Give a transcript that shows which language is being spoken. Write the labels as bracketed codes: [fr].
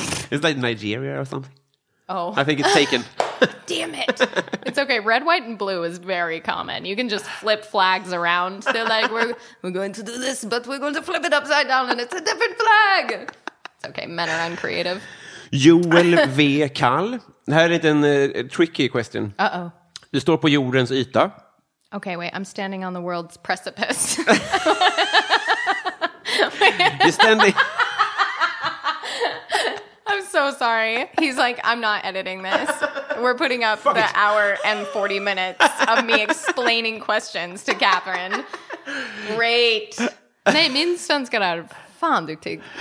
[en] Is that Nigeria or something? Oh. I think it's taken. Damn it. It's okay. Red, white, and blue is very common. You can just flip flags around. They're like, we're going to do this, but we're going to flip it upside down, and it's a different flag. It's okay. Men are uncreative. Joel V. Kall. [sv] Det här är lite en [en] tricky question. Uh-oh. [sv] Du står på jordens yta. [en] Okay, wait. I'm standing on the world's precipice. You're standing... I'm so sorry. He's like, I'm not editing this. We're putting up the hour and 40 minutes of me explaining questions to Catherine. Great. [sv] Nej, min svenska är fan duktig.